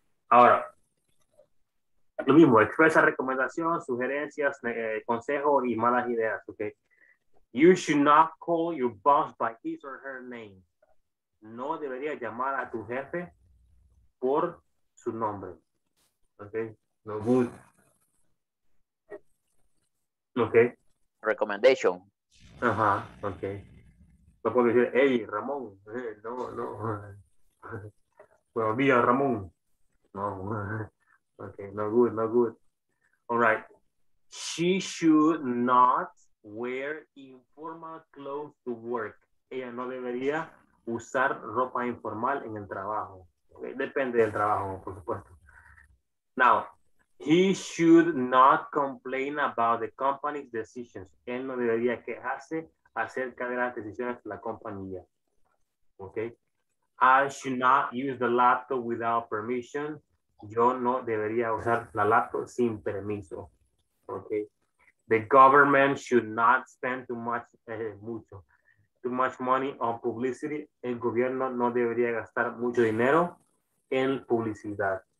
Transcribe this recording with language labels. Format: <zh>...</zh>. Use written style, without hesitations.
<es>Ahora, lo mismo, expresa recomendación, sugerencias, consejo y malas ideas.</es> <en>Okay. You should not call your boss by his or her name. No debería llamar a tu jefe por su nombre. Okay. No good. Okay. Recommendation.</en> <es>Ajá, ok. No puedo decir, hey, Ramón. No, no. Buenos días, Ramón. No.</es> <en>Ok, no good, no good. All right. She should not wear informal clothes to work.</en> <es>Ella no debería usar ropa informal en el trabajo. Okay. Depende del trabajo, por supuesto.</es> <en>Now, he should not complain about the company's decisions.</en> <es>Él no debería quejarse acerca de las decisiones de la compañía.</es> <en>Okay. I should not use the laptop without permission.</en> <es>Yo no debería usar la laptop sin permiso.</es> <en>Okay. The government should not spend too much money on publicity.</en> <es>El gobierno no debería gastar mucho dinero en publicidad.</es>